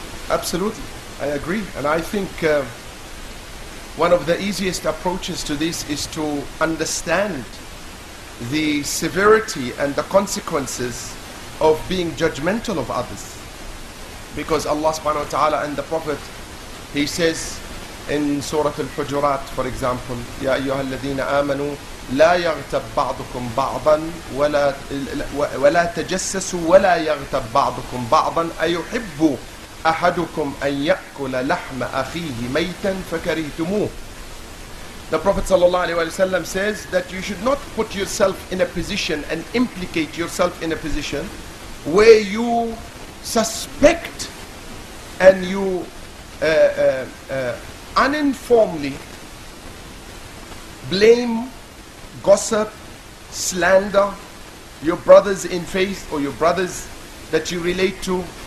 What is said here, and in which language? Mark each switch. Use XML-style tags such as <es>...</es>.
<en>Absolutely, I agree, and I think one of the easiest approaches to this is to understand the severity and the consequences of being judgmental of others. Because Allah subhanahu wa ta'ala and the Prophet, he says in Surah Al-Hujurat, for example,</en> <ar>يَا أَيُّهَا الَّذِينَ آمَنُوا لَا يَغْتَبْ بَعْضُكُمْ بَعْضًا وَلَا تَجَسَّسُوا وَلَا يَغْتَبْ بَعْضُكُمْ بَعْضًا أَيُحِبُّوا أَحَدُكُمْ أَن يَأْكُلَ لَحْمَ أَخِيهِ مَيْتًا فَكَرِهْتُمُوهُ.</ar> <en>The Prophet says that you should not put yourself in a position and implicate yourself in a position where you suspect and you uninformedly blame, gossip, slander your brothers in faith or your brothers that you relate to.</en>